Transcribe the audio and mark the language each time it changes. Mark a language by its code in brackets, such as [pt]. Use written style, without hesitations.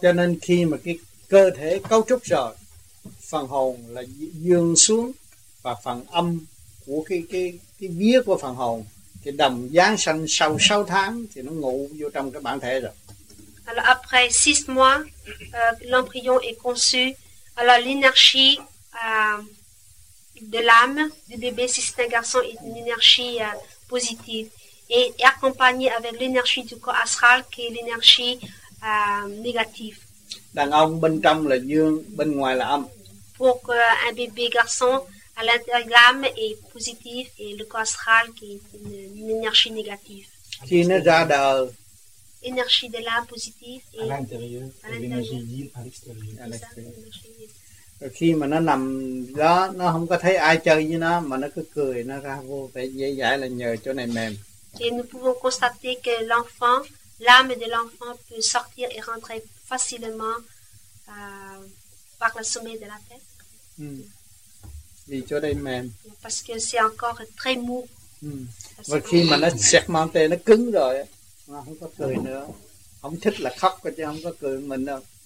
[vi] Cho nên khi mà cái cơ thể cấu trúc rồi, phần hồn là dương xuống và phần âm của cái vía của phần hồn thì đầm giáng sanh sau 6 tháng thì nó ngủ vô trong cái bản thể rồi. [fr] Alors après 6 mois, l'embryon est conçu. Alors l'énergie de l'âme du bébé, si c'est un garçon, est une énergie positive et est accompagnée avec l'énergie du corps astral qui est l'énergie négative. [vi] Đàn ông bên trong là dương, bên ngoài là âm. [fr] Pour un bébé garçon, à l'intérieur l'âme est positive et le corps astral qui est une énergie négative. Qui ne [vi] ra đời. [fr] Énergie de l'âme positive et à l'intérieur, et l'énergie vive à l'extérieur. À l'extérieur. [vi] Rồi khi mà nó nằm đó, nó không có thấy ai chơi với nó, mà nó cứ cười, nó ra vô vẻ dễ dãi là nhờ chỗ này mềm. [fr] Et nous pouvons constater que l'enfant, l'âme de l'enfant peut sortir et rentrer facilement par le sommet de la tête. [vi] Vì chỗ đây mềm. [fr] Parce que c'est encore très mou. [vi] Và khi mà nó segmenté, nó cứng rồi á. Nó không có cười nữa, không thích là khóc chứ không có cười mình đâu.